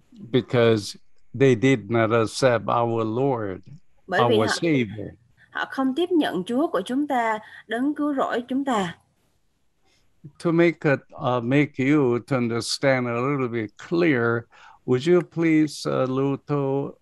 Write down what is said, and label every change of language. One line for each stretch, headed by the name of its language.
English: Because they did not accept our Lord,
Vietnamese: Bởi vì
English: our Savior.
Vietnamese: họ không tiếp nhận Chúa của chúng ta, đấng cứu rỗi chúng ta.
English: To make it, make you to understand a little bit clearer, would you please, Luto,